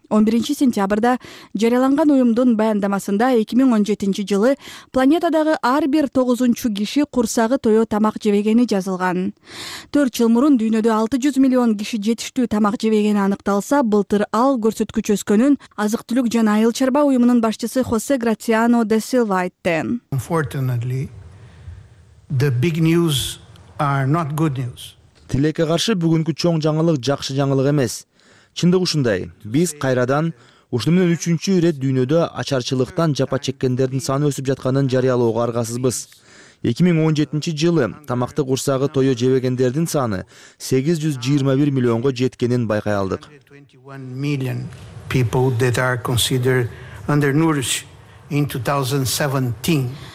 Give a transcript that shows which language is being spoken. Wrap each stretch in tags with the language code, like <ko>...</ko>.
<ky>11 сентябрда жарыяланган уюмдун баяндамасында 2017 жылы планетадагы ар бир 9-чу киши курсагы тоюп тамак жебегени жазылган. 4 жыл мурун дүйнөдө 600 миллион киши жетиштүү тамак жебегени аныкталса, былтыр ал көрсөткүч өскөнүн азык-түлүк жана айыл чарба уюмунун башчысы Хосе Грациано де Силва айтты.</ky> <en>Unfortunately, the big news are not good news.</en> <ky>Тилекке каршы бүгүнкү чоң жаңылык жакшы жаңылык эмес. Чындык ушундай. Биз кайрадан ушул менен 3-чү ирет дүйнөдө ачарчылыктан жапа чеккендердин саны өсүп жатканын жарыялоого аргасызбыз. 2017 жылы тамакты курсагы тою жебегендердин саны 821 миллионго жеткенин байкай алдык.</ky>